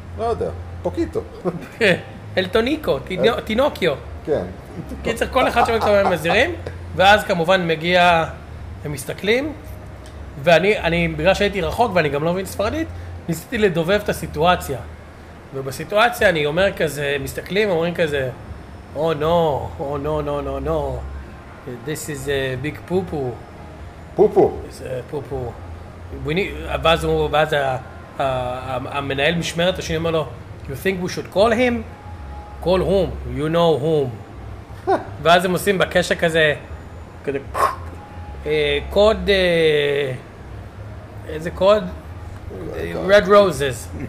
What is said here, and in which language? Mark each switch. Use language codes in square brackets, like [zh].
[he] לא יודע, פוקיטו. אלטוניקו, תינוקיו. כן. קיצר, כל אחד שמקצועים הם מזירים, ואז כמובן מגיע, הם מסתכלים, ואני, בגלל שהייתי רחוק ואני גם לא מבין ספרדית, ניסיתי לדובב את הסיטואציה. ובסיטואציה אני אומר כזה, מסתכלים, אומרים כזה, [en] Oh no, oh no, no, no, no, this is a big poo-poo. Poo-poo? It's a poo-poo. [he] ואז הוא, ואז המנהל משמרת השני אומר לו, [en] you think we should call him? Call whom? You know whom. [he] ואז הם עושים בקשע כזה, כזה, קוד, איזה קוד? Red Roses.